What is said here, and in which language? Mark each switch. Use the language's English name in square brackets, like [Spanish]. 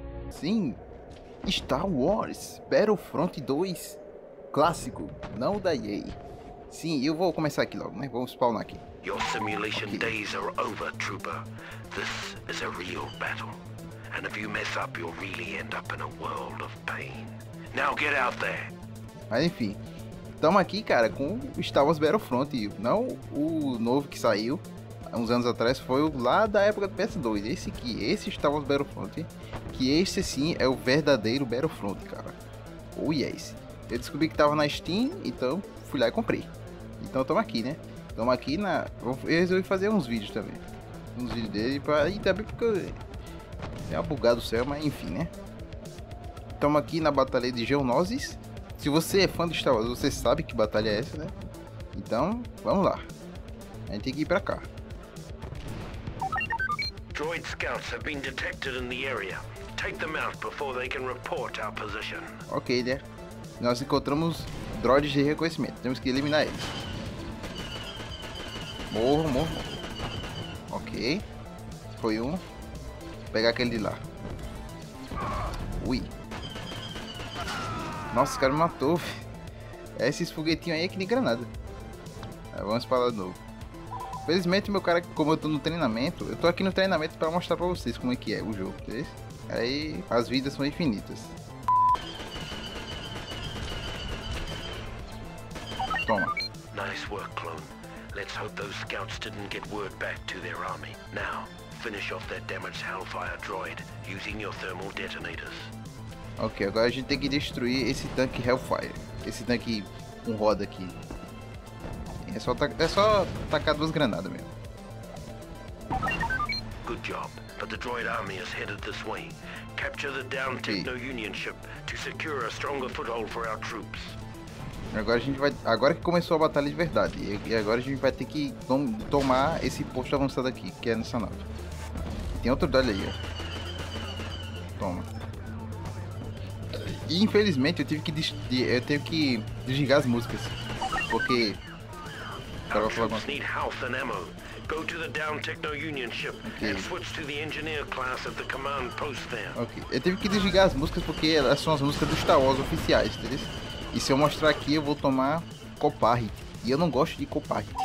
[Portuguese] Sim, Star Wars Battlefront 2, clássico, não da EA. Sim, eu vou começar aqui logo, né? Vamos spawnar aqui. [English] Your simulation days are over, Trooper. This is a real battle. And if you mess up, you'll really end up in a world of pain. Now get out there. [Portuguese] Mas enfim, estamos aqui, cara, com Star Wars Battlefront, não o novo que saiu uns anos atrás, foi lá da época do PS2. Esse aqui, esse Star Wars Battlefront, que esse sim é o verdadeiro Battlefront, cara. [English] Oh yes. [Portuguese] Eu descobri que tava na Steam, então fui lá e comprei. Então estamos aqui, né? Estamos aqui na. Eu resolvi fazer uns vídeos também. Uns vídeos dele para. E também porque é uma bugada do céu, mas enfim, né? Estamos aqui na Batalha de Geonosis. Se você é fã de Star Wars, você sabe que batalha é essa, né? Então, vamos lá. A gente tem que ir pra cá. [English] Droid scouts have been detected in the area. Take them out before they can report our position. [Portuguese] Ok, né? Nós encontramos droids de reconhecimento. Temos que eliminar eles. Morro, morro. Ok. Foi um. Vou pegar aquele de lá. Ui. Nossa, o cara me matou. Esses foguetinhos aí é que nem granada. Vamos para lá de novo. Felizmente, meu cara, como eu tô no treinamento, eu tô aqui no treinamento pra mostrar pra vocês como é que é o jogo, tá? Aí, as vidas são infinitas. Toma. [English] Nice work, clone. Let's hope those scouts didn't get word back to their army. Now, finish off that damaged Hellfire droid using your thermal detonators. [Portuguese] Ok, agora a gente tem que destruir esse tanque Hellfire. Esse tanque com roda aqui. É só tacar duas granadas mesmo. [English] Good job, but the droid army is headed this way. Capture the downed Techno Union ship to secure a stronger foothold for our troops. [Portuguese] Agora a gente vai. Agora que começou a batalha de verdade. E agora a gente vai ter que tomar esse posto avançado aqui, que é nessa nave. Tem outro droid aí, ó. Toma. E, infelizmente eu tenho que desligar as músicas. Porque. [English] Our troops need health and ammo. Go to the down Techno Union ship and switch to the engineer class at the command post there. [Portuguese] Ok, eu tive que desligar as músicas porque elas são as músicas dos Star Wars oficiais, entendeu? E se eu mostrar aqui, eu vou tomar copar. E eu não gosto de copar,